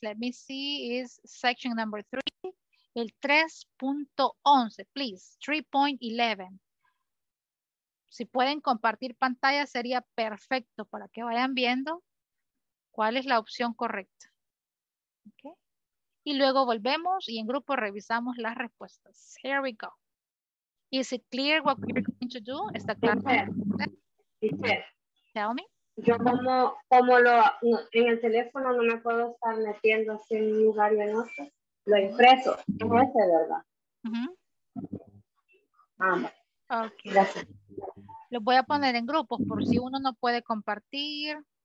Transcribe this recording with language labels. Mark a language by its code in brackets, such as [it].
[en] Let me see, is section number 3, el 3.11, please, 3.11. [es] Si pueden compartir pantalla sería perfecto para que vayan viendo cuál es la opción correcta. Okay. Y luego volvemos y en grupo revisamos las respuestas. [en] Here we go. Is it clear what we're going to do? [es] ¿Está claro? Sí, sir. [en] Tell me. [es] Yo como lo, en el teléfono no me puedo estar metiendo así en un lugar y en otro. Lo impreso. No es de verdad. Uh-huh. Ok. Gracias. Lo voy a poner en grupos por si uno no puede compartir.